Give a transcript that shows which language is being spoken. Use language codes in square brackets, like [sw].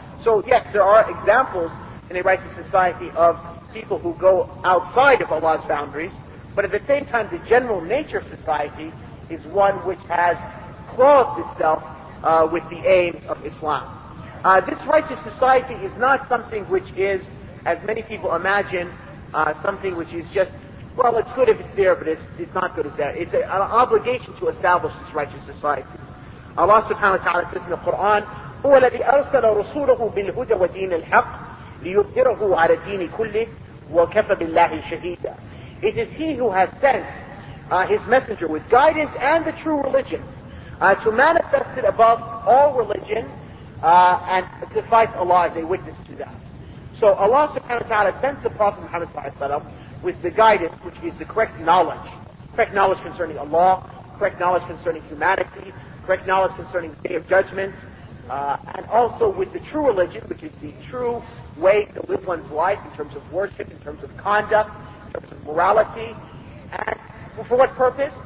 [en] So yes, there are examples in a righteous society of people who go outside of Allah's boundaries, but at the same time, the general nature of society is one which has clothed itself with the aims of Islam. This righteous society is not something which is, as many people imagine, something which is just, well, it's good if it's there, but it's not good if it's there. It's an obligation to establish this righteous society. Allah subhanahu wa ta'ala says in the Quran, [ar] هُوَ الَّذِي أَرْسَلَ رُسُولَهُ بِالْهُدَى وَدِينِ الْحَقِّ لِيُظْهِرَهُ عَلَى دِينِ كُلِّهِ وَكَفَى بِاللَّهِ شَهِيدًا. [en] It is He who has sent His messenger with guidance and the true religion to manifest it above all religion and suffice Allah as a witness to that. So Allah subhanahu wa ta'ala sent the Prophet Muhammad sallallahu alayhi wa sallam with the guidance, which is the correct knowledge concerning Allah, correct knowledge concerning humanity, correct knowledge concerning the Day of Judgment, and also with the true religion, which is the true way to live one's life in terms of worship, in terms of conduct, in terms of morality, and for what purpose?